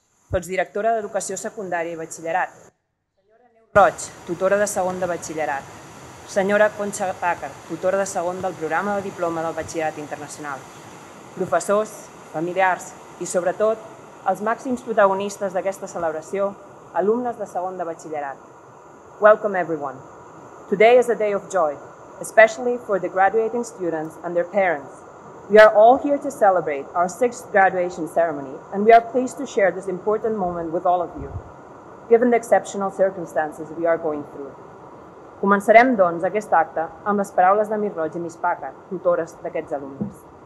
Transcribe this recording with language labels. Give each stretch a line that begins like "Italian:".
Catalan: Sotsdirectora d'Educació Secundària i Batxillerat, senyora Neu Roig, tutora de segon de batxillerat, senyora Concha Pàcar, tutora de segon del programa de diploma del Batxillerat Internacional, professors, familiars i, sobretot, els màxims protagonistes d'aquesta celebració, alumnes de segon de batxillerat.
English: Welcome, everyone. Today is a day of joy, especially for the graduating students and their parents. We are all here to celebrate our sixth graduation ceremony, and we are pleased to share this important moment with all of you, given the exceptional circumstances we are going through.
Catalan: Començarem, doncs, aquest acte amb les paraules de Miss Roig i Miss Pàcar, tutores d'aquests alumnes.